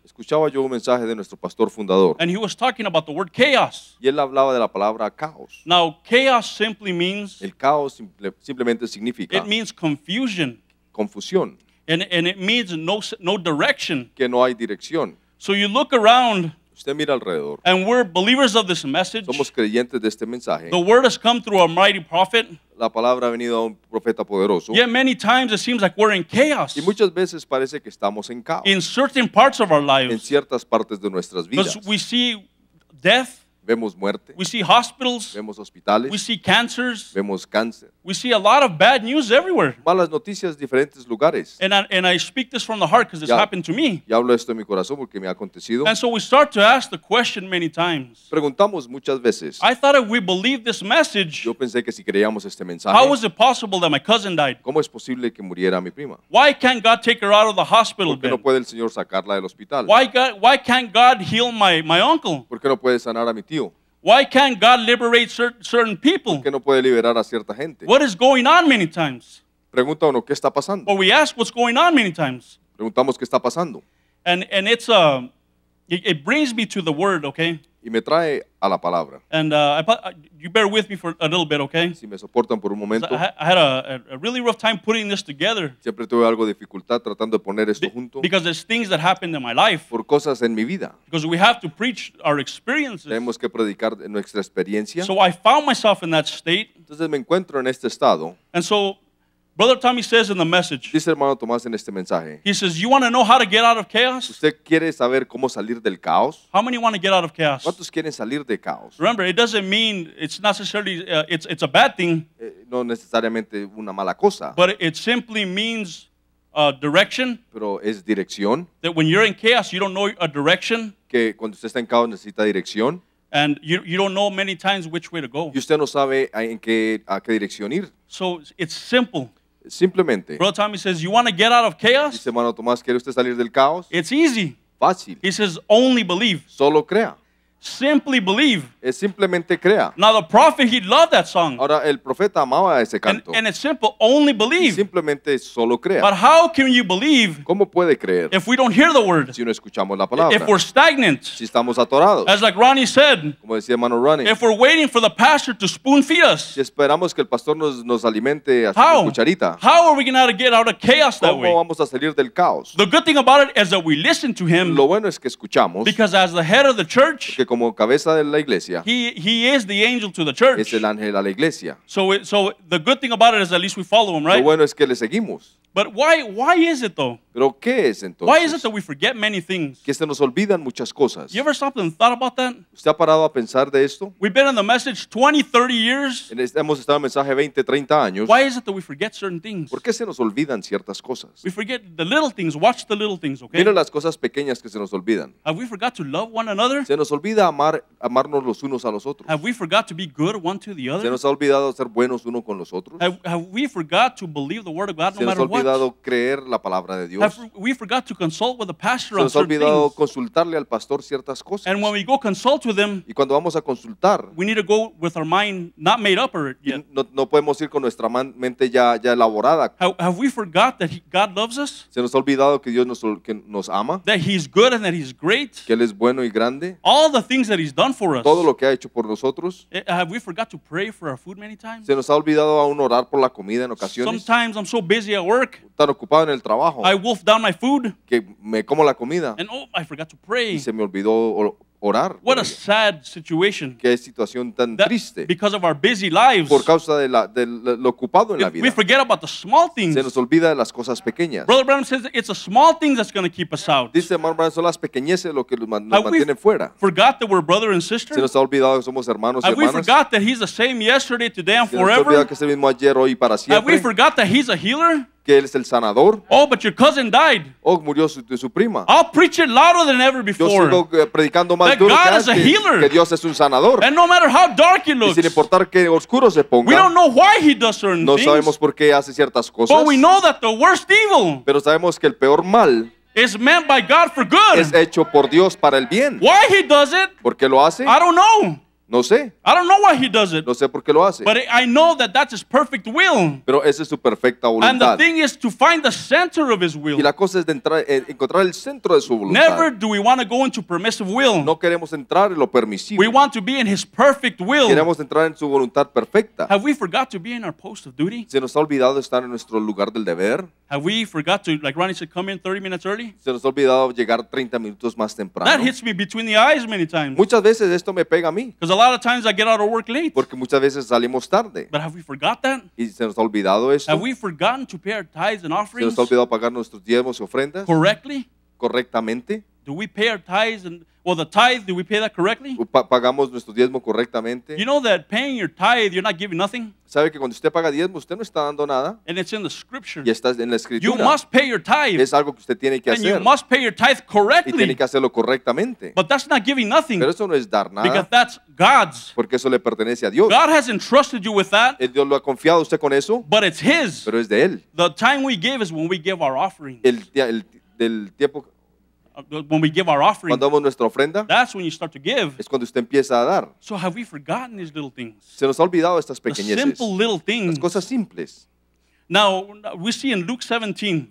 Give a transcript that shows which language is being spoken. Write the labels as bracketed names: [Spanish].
[Spanish] Escuchaba yo un mensaje de nuestro pastor fundador. [English] And he was talking about the word chaos. [Spanish] Y él hablaba de la palabra caos. [English] Now, chaos simply means. [Spanish] El caos simplemente significa. [English] It means confusion. [Spanish] Confusión. [English] And it means no direction. [Spanish] Que no hay dirección. [English] So you look around. [Spanish] Usted mira alrededor. [English] And we're believers of this message. [Spanish] Somos creyentes de este mensaje. [English] The word has come through a mighty prophet. [Spanish] La palabra ha venido a un profeta poderoso. [English] Yet many times it seems like we're in chaos. [Spanish] Y muchas veces parece que estamos en caos. [English] In certain parts of our lives. [Spanish] En ciertas partes de nuestras vidas. [English] Because we see death. [Spanish] Vemos muerte. [English] We see hospitals. [Spanish] Vemos hospitales. [English] We see cancers. [Spanish] Vemos cáncer. [English] We see a lot of bad news everywhere. [Spanish] Malas noticias en diferentes lugares. [English] And I speak this from the heart because it's happened to me. [Spanish] Y hablo esto en mi corazón porque me ha acontecido. [English] And so we start to ask the question many times. [Spanish] Preguntamos muchas veces. [English] I thought if we believed this message. [Spanish] Yo pensé que si creíamos este mensaje. [English] How was it possible that my cousin died? [Spanish] ¿Cómo es posible que muriera mi prima? [English] Why can't God take her out of the hospital? [Spanish] ¿Por qué no puede el Señor sacarla del hospital? [English] Why can't God heal my uncle? [Spanish] ¿Por qué no puede sanar a mi tío? [English] Why can't God liberate certain people? [Spanish] ¿Por qué no puede liberar a cierta gente? [English] What is going on many times? [Spanish] Pregunta uno, ¿qué está pasando? [English] Or we ask what's going on many times. [Spanish] Preguntamos qué está pasando. [English] And it brings me to the word, okay? [Spanish] Y me trae a la palabra. [English] You bear with me for a little bit, okay? [Spanish] Si me soportan por un momento. [English] I had a really rough time putting this together. [Spanish] Siempre tuve algo de dificultad tratando de poner esto junto. [English] Because there's things that happened in my life. [Spanish] Por cosas en mi vida. [English] Because we have to preach our experiences. [Spanish] Tenemos que predicar nuestra experiencia. [English] So I found myself in that state. [Spanish] Entonces me encuentro en este estado. [English] And so, Brother Tommy says in the message. [Spanish] Dice hermano Tomás en este mensaje. [English] He says, "You want to know how to get out of chaos?" [Spanish] ¿Usted quiere saber cómo salir del caos? [English] How many want to get out of chaos? [Spanish] ¿Cuántos quieren salir de caos? [English] Remember, it doesn't mean it's necessarily it's a bad thing. [Spanish] No necesariamente una mala cosa. [English] But it simply means direction. [Spanish] Pero es dirección. [English] That when you're in chaos, you don't know a direction. [Spanish] Que cuando usted está en caos necesita dirección. [English] And you don't know many times which way to go. [Spanish] Y usted no sabe en qué a qué dirección ir. [English] So it's simple. [Spanish] Simplemente. [English] Brother Tommy says, "You want to get out of chaos?" [Spanish] Dice, hermano Tomás, ¿quiere usted salir del caos? [English] It's easy. [Spanish] Fácil. [English] He says, "Only believe." [Spanish] Solo crea. [English] Simply believe. [Spanish] Es simplemente crea. [English] Now the prophet, he loved that song. [Spanish] Ahora el profeta amaba ese canto. [English] And it's simple. Only believe. [Spanish] Y simplemente solo crea. [English] But how can you believe? [Spanish] ¿Cómo puede creer? [English] If we don't hear the word. [Spanish] Si no escuchamos la palabra. [English] If we're stagnant. [Spanish] Si estamos atorados. [English] As like Ronnie said. [Spanish] Como decía hermano Ronnie. [English] If we're waiting for the pastor to spoon feed us. [Spanish] Si esperamos que el pastor nos alimente hasta la cucharita. [English] How are we going to get out of chaos that way? [Spanish] ¿Cómo vamos a salir del caos? [English] The good thing about it is that we listen to him. [Spanish] Lo bueno es que escuchamos. [English] Because as the head of the church. [Spanish] Como cabeza de la iglesia. [English] He is the angel to the church. [Spanish] Es el ángel a la iglesia. [English] So the good thing about it is at least we follow him, right? [Spanish] Lo bueno es que le seguimos. [English] But why is it though? [Spanish] ¿Pero qué es entonces? [English] Why is it that we forget many things? [Spanish] Que se nos olvidan muchas cosas. [English] You ever stopped and thought about that? [Spanish] ¿Usted ha parado a pensar de esto? [English] We've been in the message 20, 30 years. [Spanish] Hemos estado en el mensaje 20, 30 años. [English] Why is it that we forget certain things? [Spanish] ¿Por qué se nos olvidan ciertas cosas? [English] We forget the little things. Watch the little things, okay? [Spanish] Mira las cosas pequeñas que se nos olvidan. [English] Have we forgot to love one another? [Spanish] Se nos olvida amarnos los unos a los otros. [English] Have we forgot to be good one to the other? [Spanish] Se nos ha olvidado ser buenos uno con los otros. [English] Have we forgot to believe the word of God no matter what? [Spanish] olvidado creer la palabra de Dios. [English] We forgot to consult with the pastor. [Spanish] Se nos ha olvidado consultarle al pastor ciertas cosas. [English] And when we go consult with him, [Spanish] y cuando vamos a consultar, [English] we need to go with our mind not made up or yet. [Spanish] No podemos ir con nuestra mente ya elaborada. [English] Have we forgot that God loves us? [Spanish] Se nos ha olvidado que Dios nos ama. [English] That he's good and that he's great. [Spanish] Que él es bueno y grande. [English] All the things that he's done for us. [Spanish] Todo lo que ha hecho por nosotros. [English] Have we forgot to pray for our food many times? [Spanish] Se nos ha olvidado aún orar por la comida en ocasiones. [English] Sometimes I'm so busy at work. [Spanish] Tan ocupado en el trabajo. [English] I wolf down my food. [Spanish] Que me como la comida. [English] And oh, I forgot to pray. [Spanish] Y se me olvidó orar. [English] What a sad situation. [Spanish] Qué situación tan triste. [English] Because of our busy lives. [Spanish] Por causa de lo ocupado en la vida. [English] We forget about the small things. [Spanish] Se nos olvida de las cosas pequeñas. [English] Brother Branham says it's the small things that's going to keep us out. [Spanish] Dice hermano Branham, son las pequeñeces lo que nos mantiene fuera. [English] Have we forgot that we're brother and sister? [Spanish] Se nos ha olvidado que somos hermanos y hermanas. [English] Have we forgot that he's the same yesterday, today, and forever? [Spanish] Se nos ha olvidado que es el mismo ayer, hoy y para siempre. [English] Have we forgot that he's a healer? [Spanish] Que él es el sanador. [English] Oh, but your cousin died. [Spanish] Oh, murió su prima. [English] I'll preach it louder than ever before. [Spanish] Yo sigo predicando más [English] that [Spanish] duro que [English] is a healer. [Spanish] Que Dios es un sanador. [English] And no matter how dark it looks. [Spanish] Y sin importar qué oscuro se ponga. [English] We don't know why he does certain [Spanish] no [English] things. [Spanish] No sabemos por qué hace ciertas cosas. [English] But we know that the worst evil. [Spanish] Pero sabemos que el peor mal. [English] Is meant by God for good. [Spanish] Es hecho por Dios para el bien. [English] Why he does it. [Spanish] ¿Por qué lo hace? [English] I don't know. [Spanish] No sé. [English] I don't know why he does it. [Spanish] No sé por qué lo hace. [English] But I know that that's his perfect will. [Spanish] Pero esa es su perfecta voluntad. [English] And the thing is to find the center of his will. [Spanish] Y la cosa es encontrar el centro de su voluntad. [English] Never do we want to go into permissive will. [Spanish] No queremos entrar en lo permisivo. [English] We want to be in his perfect will. [Spanish] Queremos entrar en su voluntad perfecta. [English] Have we forgot to be in our post of duty? [Spanish] Se nos ha olvidado estar en nuestro lugar del deber. [English] Have we forgot to, like Ronnie said, come in 30 minutes early? [Spanish] Se nos ha olvidado llegar 30 minutos más temprano. [English] That hits me between the eyes many times. [Spanish] Muchas veces esto me pega a mí. [English] A lot of times I get out of work late. [Spanish] Porque muchas veces salimos tarde. [English] But have we forgot that? [Spanish] Y se nos ha olvidado esto. [English] Have we forgotten to pay our tithes and offerings? [Spanish] Se nos ha olvidado pagar nuestros diezmos y ofrendas. [English] Correctly? [Spanish] Correctamente. [English] Do we pay our tithes and well the tithe? Do we pay that correctly? [Spanish] Pagamos nuestro diezmo correctamente. [English] You know that paying your tithe, you're not giving nothing. [Spanish] Sabe que cuando usted paga diezmo, usted no está dando nada. [English] And it's in the scripture. [Spanish] Y está en la escritura. [English] You must pay your tithe. [Spanish] Es algo que usted tiene que [English] and [Spanish] hacer. [English] You must pay your tithe correctly. [Spanish] Y tiene que hacerlo correctamente. [English] But that's not giving nothing. [Spanish] Pero eso no es dar nada. [English] Because that's God's. [Spanish] Porque eso le pertenece a Dios. [English] God has entrusted you with that. [Spanish] El Dios lo ha confiado usted con eso. [English] But it's His. [Spanish] Pero es de él. [English] The time we give is when we give our offering. [Spanish] El tiempo [English] when we give our offering, [Spanish] cuando damos nuestra ofrenda, [English] that's when you start to give. [Spanish] Es cuando usted empieza a dar. [English] So have we forgotten these little things? [Spanish] Se nos ha olvidado estas pequeñeces. [English] The simple little things. [Spanish] Las cosas simples. [English] Now we see in Luke 17.